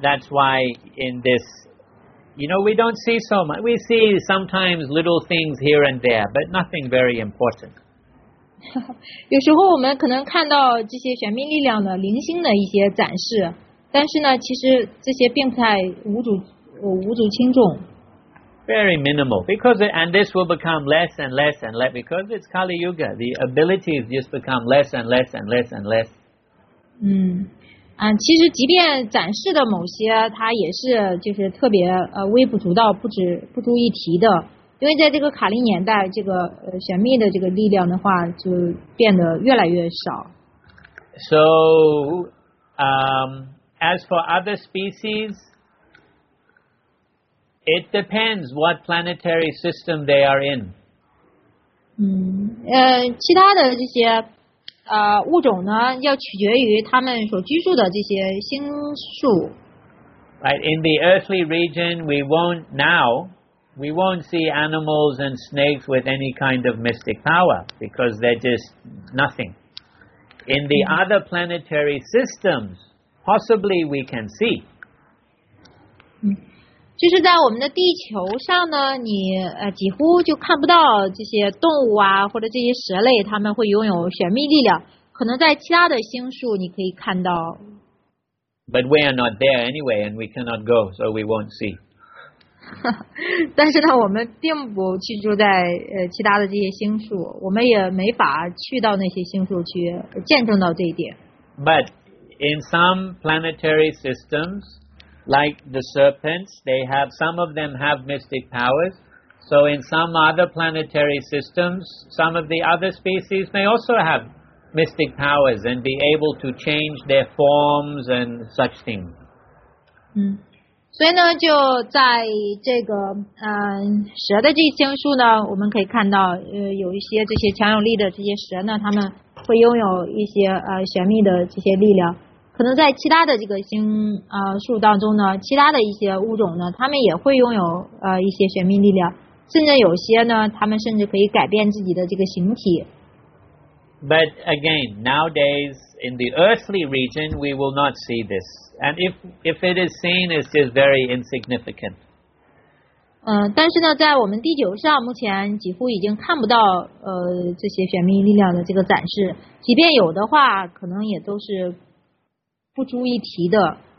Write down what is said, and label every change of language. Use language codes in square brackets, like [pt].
[en] That's why in this, you know, we don't see so much. We see sometimes little things here and there, but nothing very important. [zh] 有时候我们可能看到这些玄秘力量的零星的一些展示，但是呢，其实这些并不太无足轻重。 [en] Very minimal, because it, and this will become less and less and less because it's Kali Yuga. The abilities just become less and less and less and less. [zh] 其实即便展示的某些，它也是就是特别微不足道，不足一提的。因为在这个卡利年代，这个玄秘的这个力量的话，就变得越来越少。 [en] So, as for other species, it depends what planetary system they are in. [zh] 其他的这些物种呢，要取决于他们所居住的这些星宿。 [en] Right, in the earthly region, we won't see animals and snakes with any kind of mystic power because they're just nothing. In the other planetary systems, possibly we can see. [zh] 就是在我们的地球上呢，你几乎就看不到这些动物啊，或者这些蛇类，他们会拥有玄秘力量。可能在其他的星宿你可以看到。 [en] But we are not there anyway, and we cannot go, so we won't see. [zh] 但是呢，我们并不居住在其他的这些星宿，我们也没法去到那些星宿去见证到这一点。 [en] But in some planetary systems, like the serpents, they have some of them have mystic powers. So in some other planetary systems, some of the other species may also have mystic powers and be able to change their forms and such things. [zh] 所以呢，就在这个蛇的这星宿呢，我们可以看到有一些这些强有力的这些蛇呢，他们会拥有一些玄秘的这些力量。可能在其他的这个星树当中呢，其他的一些物种呢，他们也会拥有一些玄秘力量，甚至有些呢，他们甚至可以改变自己的这个形体。 [en] But again, nowadays in the earthly region, we will not see this, and if it is seen, it's just very insignificant. [zh] 但是呢，在我们地球上，目前几乎已经看不到这些玄秘力量的这个展示，即便有的话，可能也都是不足一提的。